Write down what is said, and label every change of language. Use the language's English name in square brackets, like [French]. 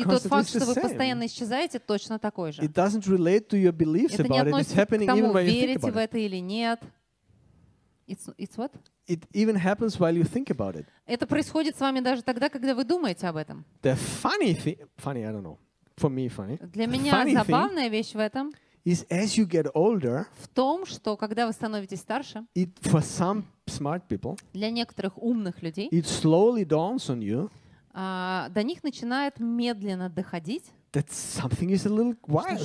[Russian] И тот факт, что вы постоянно исчезаете, точно такой же. [English] It doesn't relate to your beliefs about it. It's happening even when you think about it. [Russian] Верите в это или нет? [English] It's what? It even happens while you think about it. [Russian] Это происходит с вами даже тогда, когда вы думаете об этом. [English] The funny thing, funny, I don't know, for me funny. [Russian] Для меня забавная вещь в этом. [English] Is as you get older. [Russian] В том, что когда вы становитесь старше. [English] It for some smart people. [Russian] Для некоторых умных людей. [English] It slowly dawns on you. [Russian] До них начинает медленно доходить. [English] That something is a little wild